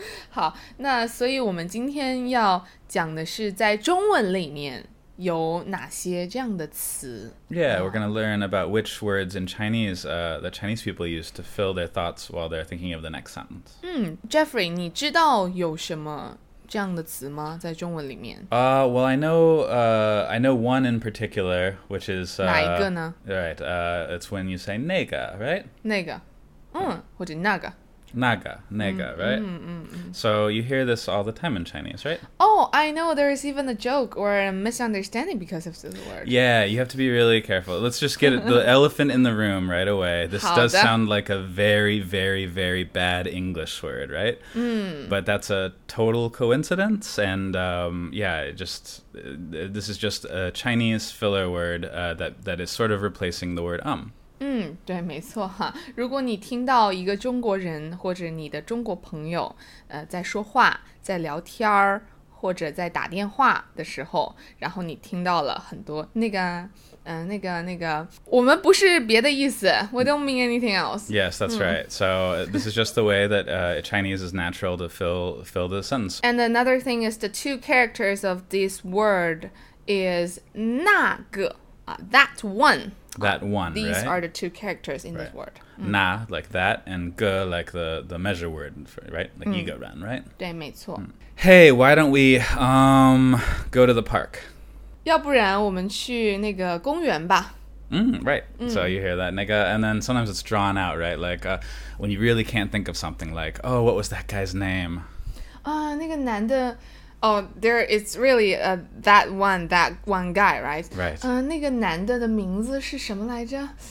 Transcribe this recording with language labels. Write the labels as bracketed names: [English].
[Chinese] 好，那所以我们今天要讲的是在中文里面有哪些这样的词。 [English] Yeah, we're going to learn about which words in Chinese the Chinese people use to fill their thoughts while they're thinking of the next sentence. [Chinese] Jeffrey, 你知道有什么这样的词吗？在中文里面。 [English] Well, I know one in particular, which is [Chinese] 哪一个呢？ [English] Right, it's when you say 那个 right? [Chinese] 那个，或者那个。那个，那个 right? [English] So you hear this all the time in Chinese, right? Oh, I know. There is even a joke or a misunderstanding because of this word. Yeah, you have to be really careful. Let's just get the elephant in the room right away. This does sound like a very, very, very bad English word, right? But that's a total coincidence. And this is just a Chinese filler word that is sort of replacing the word [Chinese] 对，没错哈。如果你听到一个中国人或者你的中国朋友在说话，在聊天或者在打电话的时候，然后你听到了很多那个，我们不是别的意思。 [English] We don't mean anything else. Yes, that's right. So this is just the way that Chinese is natural to fill the sentence. And another thing is the two characters of this word is 那个that one. That one, these right? These are the two characters in this word. Na, like that, and ge, like the measure word, for, right? Like 一个人, right? [Chinese] 对，没错。 [English] Hey, why don't we go to the park? [Chinese] 要不然我们去那个公园吧。 [English] So you hear that, 那个, and then sometimes it's drawn out, right? Like when you really can't think of something, like, oh, what was that guy's name? [Chinese] 那个男的。 [English] Oh, there it's really that one guy, right? Right. [Chinese] 那个男的的名字是什么来着？